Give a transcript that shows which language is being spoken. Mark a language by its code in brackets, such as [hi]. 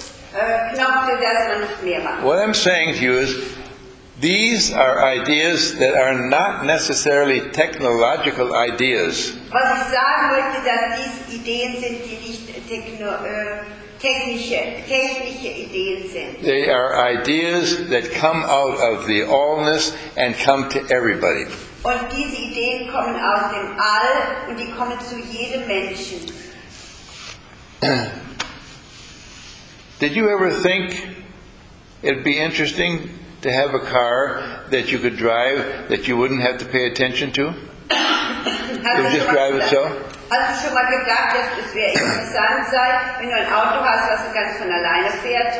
[en] What I'm saying to you is, these are ideas that are not necessarily technological ideas. [de] Was ich sagen möchte, dass dies Ideen sind, die nicht technische Ideen sind. [en] They are ideas that come out of the allness and come to everybody. [de] Und diese Ideen kommen aus dem All und die kommen zu jedem Menschen. [en] Did you ever think it'd be interesting to have a car that you could drive that you wouldn't have to pay attention to? It would just drive itself? [de] Hast du schon mal gedacht, dass es wäre interessant sein, wenn du ein Auto hast, was ganz von alleine fährt?